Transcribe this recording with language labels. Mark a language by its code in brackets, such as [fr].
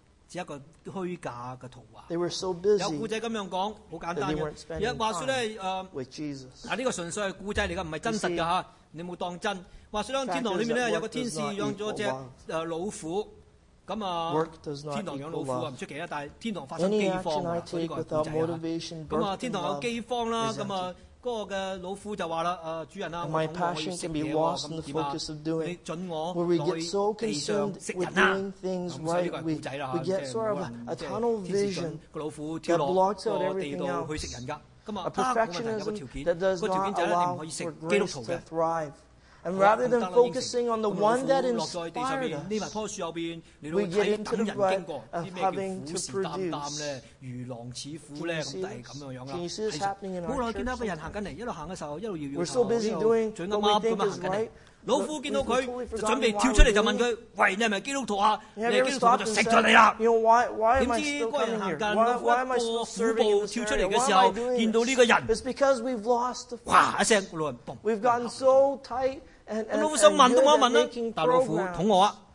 [en] They were so busy that they weren't spending time with Jesus. This is a story, not real. Don't take it for granted. The fact is that work does not equal love. There was an angel who raised a lion. [yue] 咁啊，天堂養老虎啊，唔出奇啊！但係天堂發生饑荒啊，呢個係古仔啊。咁啊，天堂有饑荒啦，咁啊，嗰個嘅老虎就話啦：，主人啊，我可以食嘢喎，咁點啊？你準我去地上食人啊？咁啊，呢個係古仔啦，即係冇人即係天使信個老虎跳落個地度去食人㗎。咁啊，啊咁啊，突然有個條件，個條件就係你唔可以食基督徒嘅。 [en] And rather than focusing on the one that inspired us, we get into the rut of having to produce. Can you see this happening in our churches? We're so busy doing what we think is right. [yue] 老虎見到佢，就準備跳出嚟就問佢：，喂，你係咪基督徒啊？你係基督徒，我就食咗你啦！點知嗰人行近，老虎一個虎步跳出嚟嘅時候，見到呢個人，哇一聲，老人嘣，老虎想問都冇得問啦，大老虎捅我啊！